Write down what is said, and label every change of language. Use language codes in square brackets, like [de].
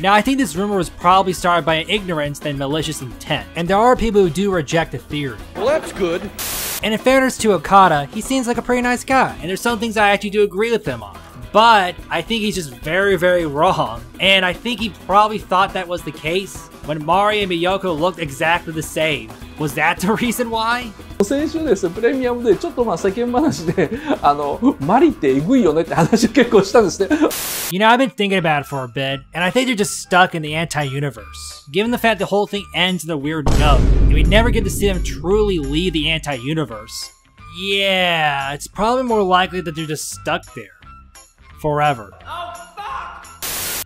[en] Now, I think this rumor was probably started by ignorance than malicious intent, and there are people who do reject the theory. Well, that's good. And in fairness to Okada, he seems like a pretty nice guy, and there's some things I actually do agree with him on. But I think he's just very, very wrong, and I think he probably thought that was the case when Mari and Miyoko looked exactly the same. Was that the reason why? [ja] 先週ですプレミアムでちょっとまあ世間話であのマリってえぐいよねって話を結構したんですね。 [en] You know, I've been thinking about it for a bit, and I think they're just stuck in the anti-universe. Given the fact the whole thing ends in a weird note, and we never get to see them truly leave the anti-universe, yeah, it's probably more likely that they're just stuck there. Forever. Oh, fuck!